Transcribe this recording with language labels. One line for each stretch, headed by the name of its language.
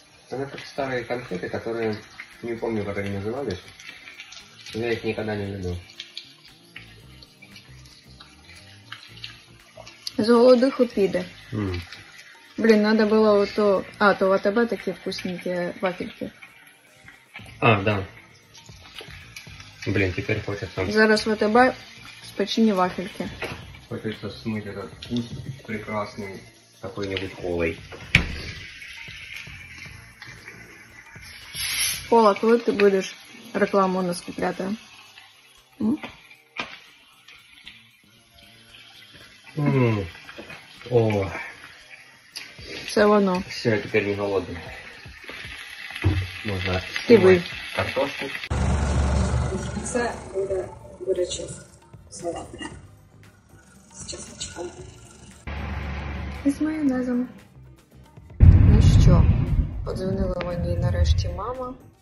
Russian: Это как старые конфеты, которые, не помню, как они назывались. Я их никогда не люблю. С голодуху піде. Блин, надо было вот то... А, то у тебя такие вкусненькие вафельки. А, да. Блин, теперь хочется...
Ukrainian: Зараз в ТБ спечені вафельки.
Russian: Хочется смыть этот вкус прекрасный какой-нибудь колой. Кола, коли ты будешь рекламу у нас купляти? О.
Ukrainian: Все воно.
Russian: Все, я теперь не голодный. Можно снимать картошку.
Ukrainian: Це буде гарячий салат з чесночком. І з майонезом. Ну що, подзвонила мені нарешті мама.